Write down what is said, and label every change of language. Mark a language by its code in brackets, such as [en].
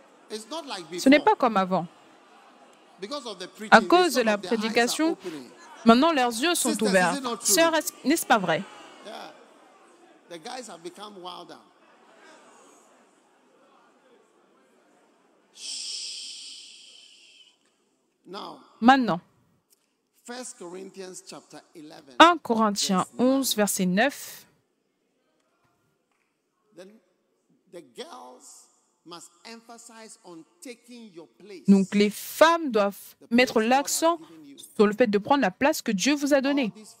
[fr] Ce n'est pas comme avant. À cause de la prédication, maintenant leurs yeux sont ouverts. Sœurs, n'est-ce pas vrai? [en] The guys have become wilder. Now, [fr] maintenant, [en] 1 Corinthians chapter 11, [fr] 1 Corinthiens 11, verset 9. [en] The girls must emphasize on taking your place. [fr] Donc, les femmes doivent mettre l'accent sur le fait de prendre la place que Dieu vous a donnée.